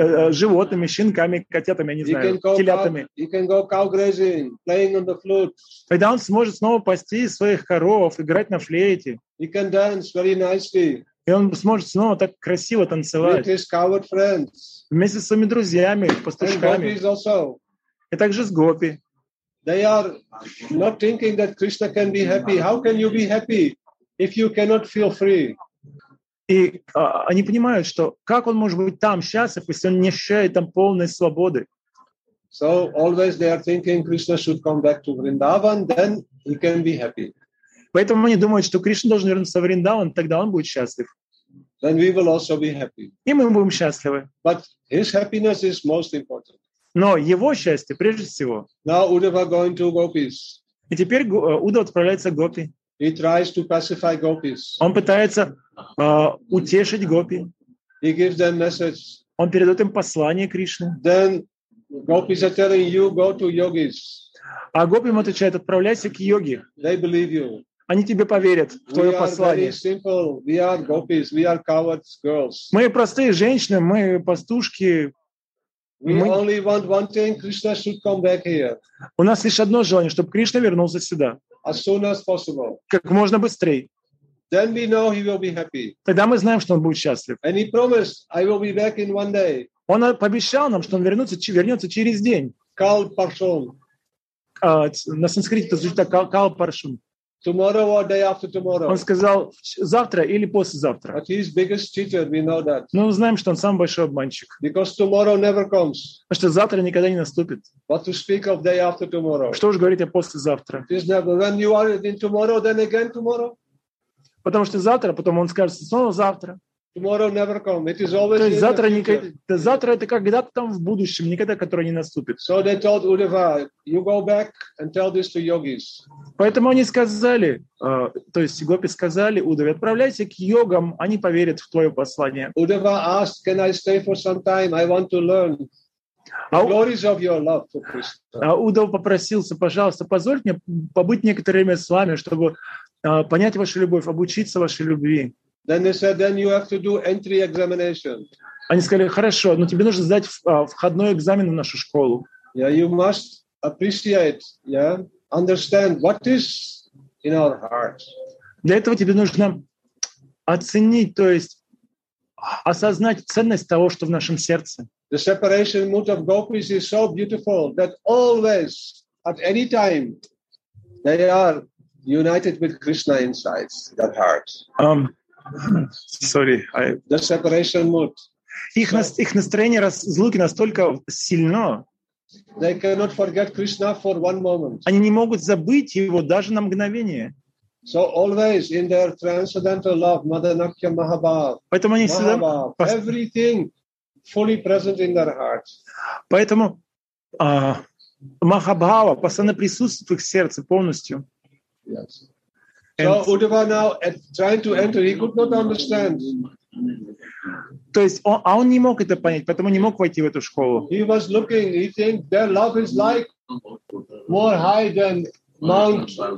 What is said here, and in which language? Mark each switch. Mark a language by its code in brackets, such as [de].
[ru] Животными, щенками, котятами, я не знаю, телятами. Тогда он сможет снова пасти своих коров, играть на флейте. И он сможет снова так красиво танцевать. Вместе с своими друзьями, пастушками. И также с гопи. [en] They are not thinking that Krishna can be happy. How can you be happy if you cannot feel free? [ru] И они понимают, что как он может быть там счастлив, если он не ощущает там полной свободы. [en] So always they are thinking Krishna should come back to Vrindavan, then he can be happy. [ru] Поэтому они думают, что Кришна должен вернуться в Вриндаван, тогда он будет счастлив. [en] Then we will also be happy. [ru] И мы будем счастливы. [en] But his happiness is most important. [ru] Но его счастье прежде всего. [en] Now Uddhava going to gopis. [ru] И теперь Уддхава отправляется к гопи. [en] He tries to pacify gopis. [ru] Он пытается утешить гопи. [en] He gives them message. [ru] Он передает им послание Кришны. [en] Then gopis are telling you go to yogis. [ru] А гопи ему отвечает: отправляйся к йоге. [en] They believe you. [ru] Они тебе поверят в твое послание. [en] We are very simple. We are gopis. We are cowards, girls. [ru] Мы простые женщины, мы пастушки. [en] We only want one thing: Krishna should come back here. [ru] У нас лишь одно желание, чтобы Кришна вернулся сюда. [en] As soon as possible. [ru] Как можно быстрее. [en] Then we know he will be happy. [ru] Тогда мы знаем, что он будет счастлив. [en] And he promised, I will be back in one day. [ru] Он пообещал нам, что он вернется через день. [hi] Kal parshum. [ru] На санскрите это звучит так: [hi] kal parshum. [en] Tomorrow or day after tomorrow. [ru] Он сказал: завтра или послезавтра. [en] But he's biggest cheater, we know that. [ru] Но мы знаем, что он самый большой обманщик. [en] Because tomorrow never comes. [ru] Потому что завтра никогда не наступит. [en] But to speak of day after tomorrow. [ru] Что уж говорить о послезавтра. [en] It is never. When you are in tomorrow, then again tomorrow. [ru] Потому что завтра, потом он скажет, снова завтра. [en] Tomorrow never come. It is always. [ru] То есть завтра никогда. Завтра это когда-то там в будущем, никогда, которое не наступит. [en] So they told Uddhava, you go back and tell this to yogis. [ru] Поэтому они сказали, то есть гопи сказали Уддхаве, отправляйся к йогам, они поверят в твое послание. [en] Uddhava asked, can I stay for some time? I want to learn the glories of your love for Krishna. [ru] Уддхава попросился, пожалуйста, позвольте мне побыть некоторое время с вами, чтобы понять вашу любовь, обучиться вашей любви. [en] Then they said, then you have to do entry examination. [ru] Они сказали: хорошо, но тебе нужно сдать входной экзамен в нашу школу. [en] Yeah, you must appreciate, yeah, understand what is in our heart. [ru] Для этого тебе нужно оценить, то есть осознать ценность того, что в нашем сердце. [en] The separation mood of gopis is so beautiful that always, at any time, they are united with Krishna inside their hearts. Sorry, I... The separation mood. [ru] Их настроение разлуки настолько сильно. [en] They cannot forget Krishna for one moment. [ru] Они не могут забыть его даже на мгновение. [en] So always in their transcendental love, Madanakya Mahabhav. [ru] Поэтому они всегда [en] everything fully present in their hearts. [ru] Поэтому Махабхава постоянно присутствует в их сердце полностью. [en] Yes. So Uddhava now trying to enter, he could not understand. [ru] То есть он не мог это понять, поэтому не мог войти в эту школу. [en] He was looking, he think their love is like more high than Mount